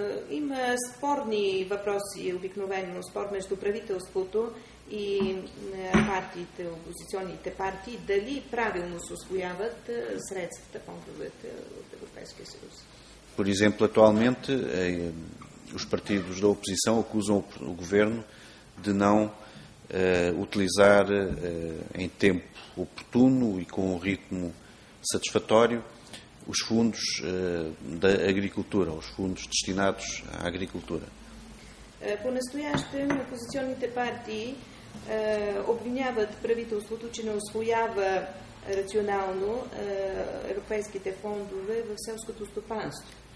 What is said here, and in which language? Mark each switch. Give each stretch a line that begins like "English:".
Bulgarian: Има спорни въпроси, обикновено спор между правителството и партиите, опозиционните партии, дали правилно се усвояват средствата, фондовете от Европейския съюз.
Portuguese: Por exemplo, atualmente, os partidos da oposição acusam o governo de não utilizar em tempo oportuno e com um ritmo satisfatório os fundos da agricultura, os fundos destinados à agricultura.
Bulgarian: По настоящем, опозиционните партии обвиняват правителството, че не усвоява рационално европейските фондове в селското стопанство.